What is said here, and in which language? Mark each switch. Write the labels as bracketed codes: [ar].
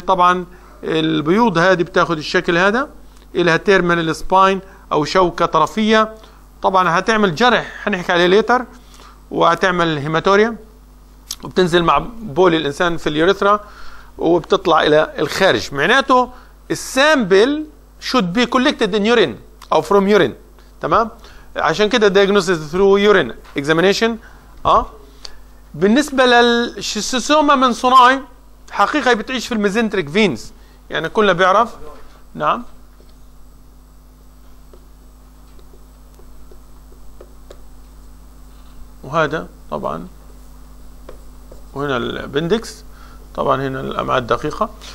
[ar] طبعا البيوض هذه بتاخذ الشكل هذا، لها تيرمينال سباين او شوكه طرفيه، طبعا هتعمل جرح حنحكي عليه ليتر، وهتعمل هيماتوريا، وبتنزل مع بول الانسان في اليوريثرا وبتطلع الى الخارج. معناته السامبل [en] should be collected in urine او from urine. [ar] تمام. عشان كده [en] diagnosis through urine examination. [ar] بالنسبه للشيسوسوما من صناعي حقيقه بتعيش في الميزنتريك فينز، يعني كلنا بيعرف. نعم. وهذا طبعا، وهنا البندكس، طبعا هنا الامعاء الدقيقه.